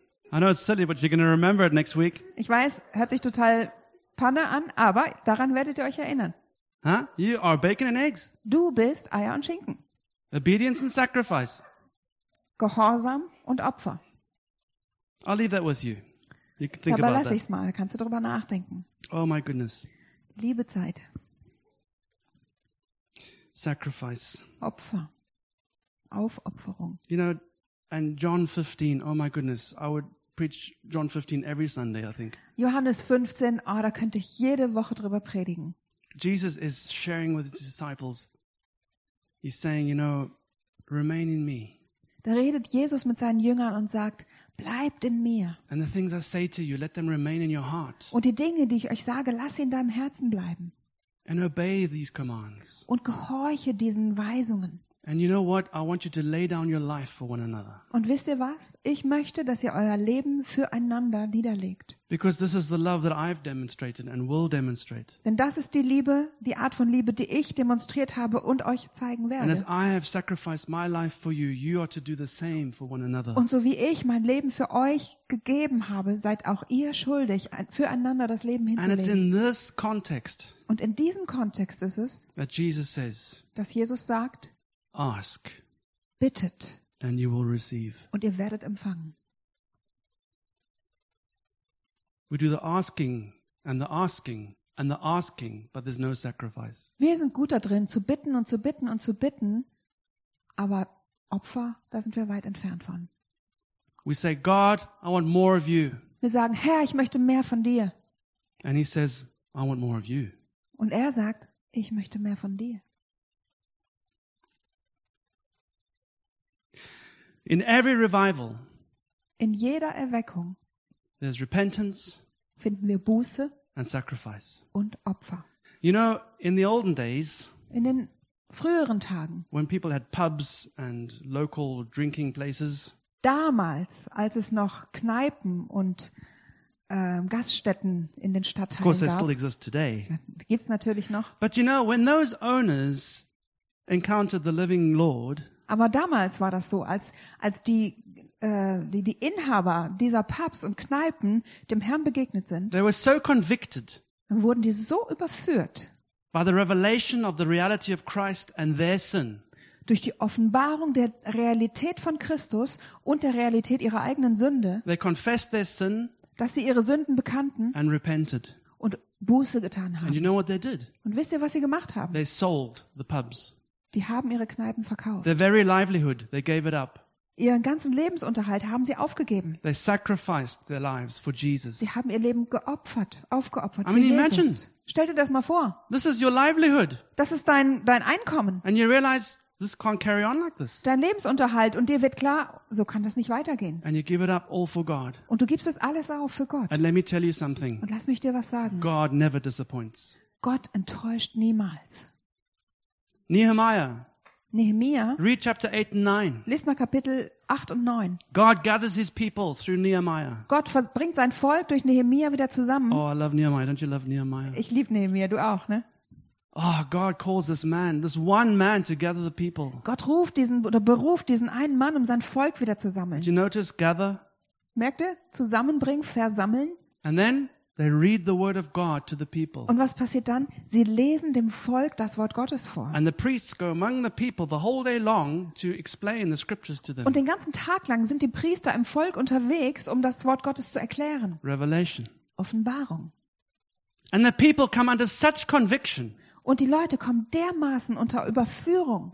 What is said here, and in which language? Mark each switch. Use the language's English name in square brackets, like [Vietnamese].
[English] I know it's silly, but you're going to remember it next week. [German] Ich weiß, hört sich total Panne an, aber daran werdet ihr euch erinnern. [English] Huh? You are bacon and eggs. [German] Du bist Eier und Schinken. [English] Obedience and sacrifice. [German] Gehorsam und Opfer. [English] I'll leave that with you. You can think about that. [German] Aber lass ich's mal. Kannst du drüber nachdenken? [English] Oh my goodness. [German] Liebe Zeit. [English] Sacrifice. [German] Opfer. Aufopferung. [English] You know. And John 15, oh my goodness, I would preach John 15 every Sunday, I think. [German] Johannes 15, oh, da könnte ich jede Woche drüber predigen. [English] Jesus is sharing with his disciples. He's saying, you know, remain in me. [German] Da redet Jesus mit seinen Jüngern und sagt, bleibt in mir. [English] And the things I say to you, let them remain in your heart. [German] Und die Dinge, die ich euch sage, lass sie in deinem Herzen bleiben. [English] And obey these commands. [German] Und gehorche diesen Weisungen. [English] And you know what? I want you to lay down your life for one another. [German] Und wisst ihr was? Ich möchte, dass ihr euer Leben füreinander niederlegt. [English] Because this is the love that I've demonstrated and will demonstrate. [German] Denn das ist die Liebe, die Art von Liebe, die ich demonstriert habe und euch zeigen werde. [English] And as I have sacrificed my life for you, you are to do the same for one another. [German] Und so wie ich mein Leben für euch gegeben habe, seid auch ihr schuldig, füreinander das Leben hinzulegen. [English] And it's in this context. [German] Und in diesem Kontext ist es, [English] that Jesus says, [German] dass Jesus sagt, [English] ask, [German] bittet, [English] and you will receive. [German] Und ihr werdet empfangen. [English] We do the asking and the asking and the asking, but there's no sacrifice. [German] Wir sind gut da drin, zu bitten und zu bitten und zu bitten, aber Opfer, da sind wir weit entfernt von. [English] We say, God, I want more of you. [German] Wir sagen, Herr, ich möchte mehr von dir. [English] And he says, I want more of you. [German] Und er sagt, ich möchte mehr von dir. [English] In every revival, [German] in jeder Erweckung, [English] there's repentance, [German] finden wir Buße [English] and sacrifice [German] und Opfer. [English] You know, in the olden days, [German] in den früheren Tagen, [English] when people had pubs and local drinking places, [German] damals, als es noch Kneipen und Gaststätten in den Stadtteilen gab, [English] of course they still exist today, [German] gibt's natürlich noch. [English] But you know, when those owners encountered the living Lord. [German] Aber damals war das so, als die Inhaber dieser Pubs und Kneipen dem Herrn begegnet sind. [English] They were so convicted. [German] Dann wurden die so überführt. [English] By the revelation of the reality of Christ and their sin. [German] Durch die Offenbarung der Realität von Christus und der Realität ihrer eigenen Sünde. [English] They confessed their sin. [German] Dass sie ihre Sünden bekannten. [English] And repented. [German] Und Buße getan haben. [English] And you know what they did? [German] Und wisst ihr, was sie gemacht haben? [English] They sold the pubs. [German] Die haben ihre Kneipen verkauft. [English] Their very livelihood, they gave it up. [German] Ihren ganzen Lebensunterhalt haben sie aufgegeben. [English] They sacrificed their lives for Jesus. [German] Sie haben ihr Leben geopfert, aufgeopfert für Jesus. [English] Imagine. [German] Stell dir das mal vor. [English] This is your livelihood. [German] Das ist dein Einkommen. [English] And you realize this can't carry on like this. [German] Dein Lebensunterhalt und dir wird klar, so kann das nicht weitergehen. [English] And you give it up all for God. [German] Und du gibst es alles auf für Gott. [English] And let me tell you something. [German] Und lass mich dir was sagen. [English] God never disappoints. [German] Gott enttäuscht niemals. [English] Nehemiah. Read chapter 8 and 9. [German] Lies mal Kapitel 8 und 9. [English] God gathers his people through Nehemiah. [German] Gott bringt sein Volk durch Nehemiah wieder zusammen. [English] Oh, I love Nehemiah. Don't you love Nehemiah? [German] Ich liebe Nehemiah, du auch, ne? [English] Oh, God calls this one man to gather the people. [German] Gott ruft diesen oder beruft diesen einen Mann, um sein Volk wieder zu sammeln. [English] Did you notice gather? [German] Merkt ihr? Zusammenbringen, versammeln. [English] And then they read the word of God to the people. [German] Und was passiert dann? Sie lesen dem Volk das Wort Gottes vor. [English] And the priests go among the people the whole day long to explain the scriptures to them. [German] Und den ganzen Tag lang sind die Priester im Volk unterwegs, um das Wort Gottes zu erklären. [English] Revelation. [German] Offenbarung. [English] And the people come under such conviction. [German] Und die Leute kommen dermaßen unter Überführung.